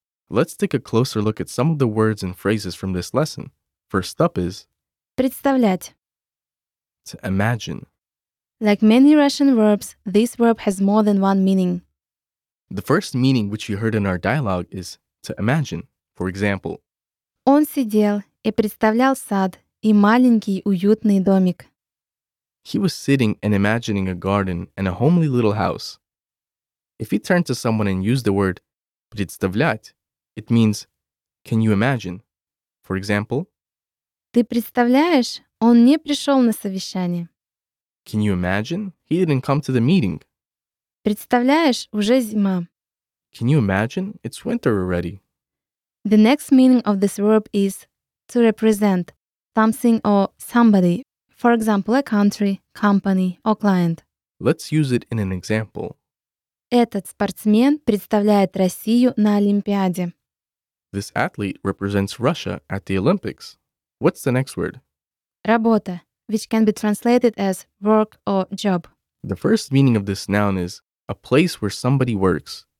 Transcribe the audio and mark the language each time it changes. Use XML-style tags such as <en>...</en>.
<en>Let's take a closer look at some of the words and phrases from this lesson. First up is</en> <ru>представлять.</ru> <en>To imagine. Like many Russian verbs, this verb has more than one meaning. The first meaning, which you heard in our dialogue, is to imagine. For example,</en> <ru>он сидел и представлял сад и маленький уютный домик.</ru> <en>He was sitting and imagining a garden and a homely little house. If you turn to someone and use the word представлять, it means, can you imagine? For example,</en> <ru>ты представляешь, он не пришел на совещание.</ru> <en>Can you imagine? He didn't come to the meeting.</en> <ru>Представляешь, уже зима.</ru> <en>Can you imagine? It's winter already. The next meaning of this verb is to represent something or somebody. For example, a country, company, or client. Let's use it in an example.</en> <ru>Этот спортсмен представляет Россию на Олимпиаде.</ru> <en>This athlete represents Russia at the Olympics. What's the next word? Работа, which can be translated as work or job. The first meaning of this noun is a place where somebody works.</en>